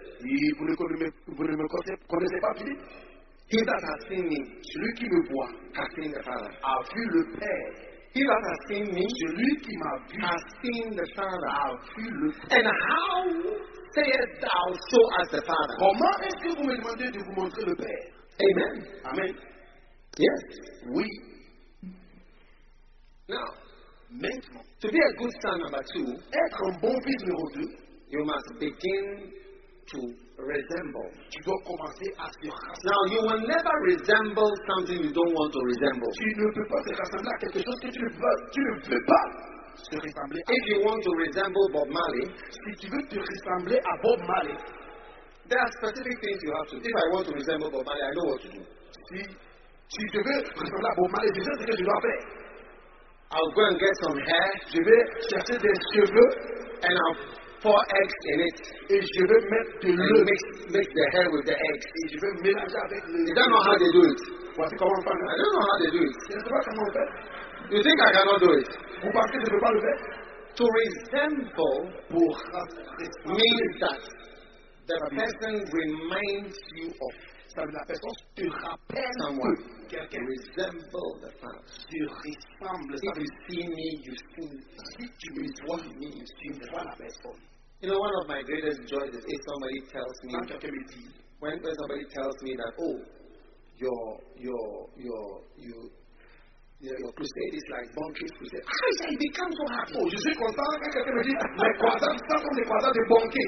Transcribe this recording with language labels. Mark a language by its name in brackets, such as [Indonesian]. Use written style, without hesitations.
[French] Vous ne me connaissez pas, Philippe? [English] He that has seen me, [French] celui qui me voit, [English] has seen the Father. [French] A vu le Père. [English] He that has seen me, [French] celui qui m'a vu, [English] has seen the Father. [French] A vu le Père. [English] And how sayest thou so as the Father? [French] Comment est-ce que vous me demandez de vous montrer le Père? [English] Amen. [French] Amen. [English] Yes. [French] Oui. [English] Now. [French] Maintenant, [English] to be a good son, number two, [French] être un bon fils numéro deux, [English] you must begin to resemble. [French] Tu dois commencer à se rassembler. [English] Now, you will never resemble something you don't want to resemble. [French] Tu ne peux pas te rassembler à quelque chose que tu ne veux pas se rassembler. [English] If you want to resemble Bob Marley, [French] si tu veux te rassembler à Bob Marley, [English] there are specific things you have to do. If I want to resemble Bob Marley, I know what to do. [French] Si tu veux ressembler à Bob Marley, c'est ce que je dois faire. [English] I'll go and get some hair. [French] Je vais chercher des cheveux. [English] And I'll pour eggs in it. [French] Et je vais mettre de l'eau. [English] Mix the hair with the eggs. [French] Et je vais mélanger avec le. [English] You don't know how they do it. [French] Voici comment faire. [English] I don't know how they do it. [French] Je ne sais pas comment faire. [English] You think I cannot do it? [French] Vous pensez que je ne peux pas le faire? [English] To resemble means that the person reminds you of. [French] La personne te rappelle [English] someone. [French] Quelqu'un [English] resemble the Father. [French] Tu ressembles. [English] If you see me, you see. [French] Si tu me vois, [English] me you see. [French] Tu vois la personne. [English] You know, one of my greatest joys is if somebody tells me. When somebody tells me that, oh, your crusade is like banquet crusade. I say, become so happy. [French] Oh, je suis content quand quelqu'un me dit, mes croisades sont comme des croisades de banquet.